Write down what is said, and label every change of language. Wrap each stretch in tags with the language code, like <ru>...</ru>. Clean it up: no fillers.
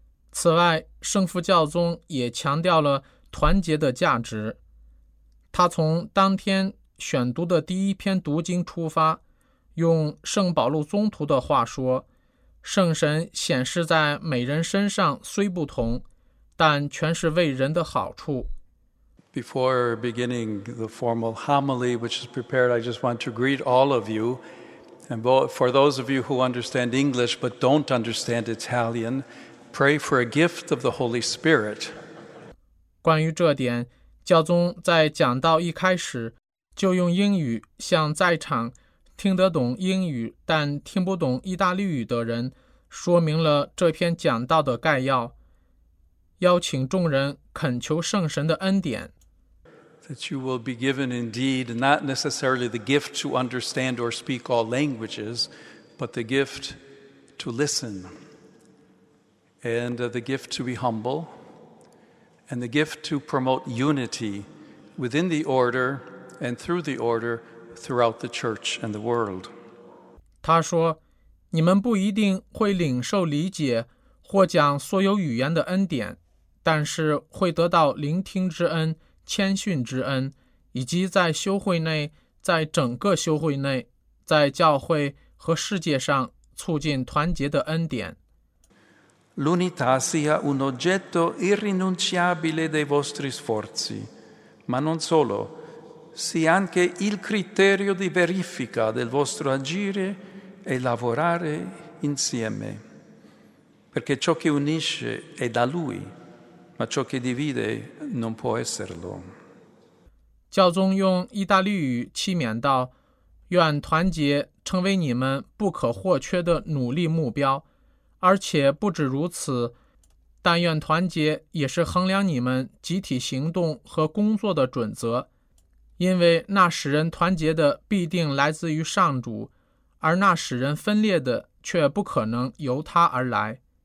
<zh>此外，圣父教宗也强调了团结的价值。他从当天选读的第一篇读经出发，用圣保禄宗徒的话说，圣神显示在每人身上虽不同，但全是为人的好处。</zh> <en>Before beginning the formal homily which is prepared, I just want to greet all of you. And for those of you who understand English but don't understand Italian, pray for a gift of the Holy Spirit.</en> <zh>关于这点，教宗在讲道一开始就用英语向在场听得懂英语但听不懂意大利语的人说明了这篇讲道的概要，邀请众人恳求圣神的恩典。</zh> <en>That you will be given indeed not necessarily the gift to understand or speak all languages, but the gift to listen and the gift to be humble, and the gift to promote unity within the order and through the order throughout the church and the world.</en> <zh>他说，你们不一定会领受理解或讲所有语言的恩典，但是会得到聆听之恩、谦逊之恩，以及在修会内、在整个修会内、在教会和世界上促进团结的恩典。</zh> <it>L'unità sia un oggetto irrinunciabile dei vostri sforzi, ma non solo, sia anche il criterio di verifica del vostro agire e lavorare insieme. Perché ciò che unisce è da Lui, ma ciò che divide non può esserlo.</it> <zh>教宗用意大利语期勉道，愿团结成为你们不可或缺的努力目标，而且不止如此，但愿团结也是衡量你们集体行动和工作的准则，因为那使人团结的必定来自于上主，而那使人分裂的却不可能由他而来。</zh>